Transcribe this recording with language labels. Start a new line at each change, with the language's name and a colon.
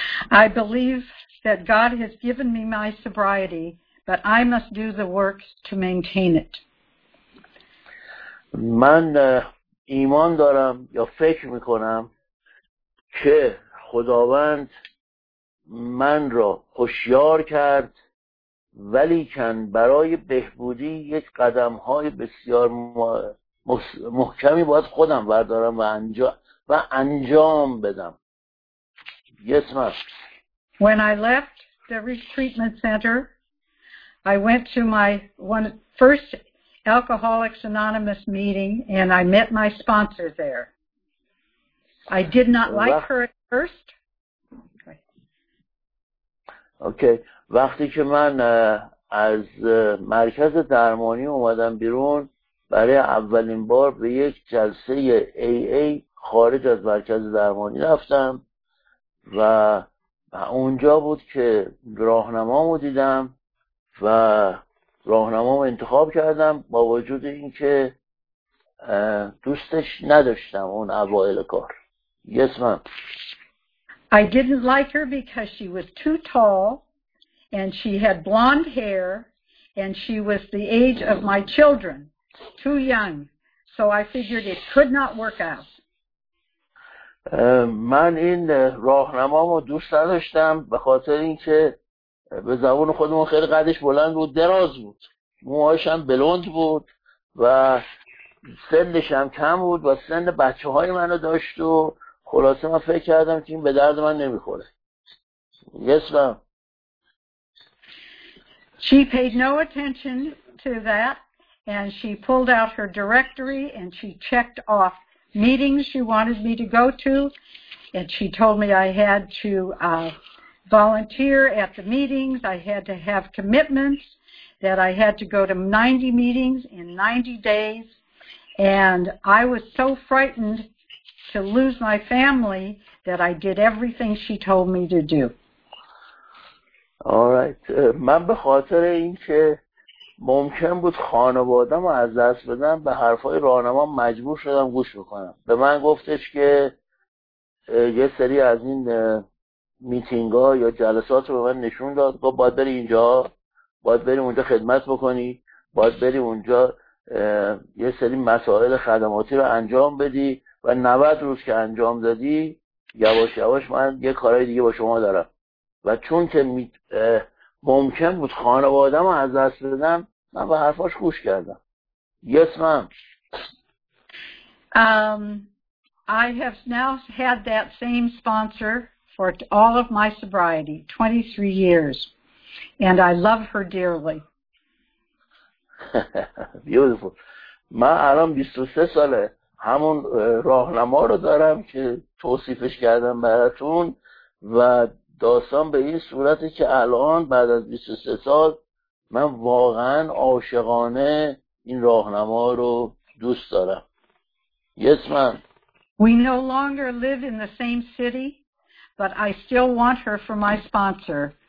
English: I believe that God has given me my sobriety, but I must do the work to maintain it.
Persian: من ایمان دارم یا فکر میکنم که خداوند من را هوشیار کرد ولیکن برای بهبودی یک قدم های بسیار محکمی باید خودم بردارم و انجام بدم.
English: Yes, ma'am. When I left the treatment center, I went to my first Alcoholics Anonymous meeting and I met my sponsor there. I did not like her at first. Okay.
Persian: وقتی که من از مرکز درمانی اومدم بیرون برای اولین بار به یک جلسه AA خارج از مرکز درمانی رفتم و اونجا بود که راهنمامو دیدم و راهنمامو انتخاب کردم با وجود اینکه دوستش نداشتم اون اوائل کار.
English: Yes, ma'am. I didn't like her because she was too tall and she had blonde hair and she was the age of my children, too young. So I figured it could not work out.
Persian: من این راهنمامو دوست داشتم به خاطر اینکه به زبون خودمون خیلی قدش بلند بود، دراز بود، موهاش هم بلوند بود و سنش هم کم بود و سن بچه های منو داشت و خلاصه من فکر کردم که این به درد من نمیخوره.
English: Yes, ma'am. She paid no attention to that and she pulled out her directory and she checked off meetings she wanted me to go to, and she told me I had to volunteer at the meetings, I had to have commitments, that I had to go to 90 meetings in 90 days, and I was so frightened to lose my family that I did everything she told me to do. All right.
Persian: من به خاطر اینکه ممکن بود خانوادم رو از دست بدم به حرفای راهنما مجبور شدم گوش بکنم. به من گفتش که یه سری از این میتینگ ها یا جلسات رو به من نشون داد، گفت باید بری اینجا، باید بری اونجا خدمت بکنی، باید بری اونجا یه سری مسائل خدماتی رو انجام بدی و 90 روز که انجام دادی یواش یواش من یه کارهای دیگه با شما دارم و چون که ممکن بود خانوادم رو از دست بدم، من به حرفاش خوش کردم.
English: Yes, ma'am. I have now had that same sponsor for all of my sobriety, 23 years, and I love her dearly. Beautiful.
Persian: من الان 23 ساله همون راهنما رو دارم که توصیفش کردم براتون و داستان به این صورته که الان بعد از 23 سال من واقعا عاشقانه این راهنما رو دوست دارم.
English: Yes, ma'am. We no longer live in the same city, but I still want her for my sponsor.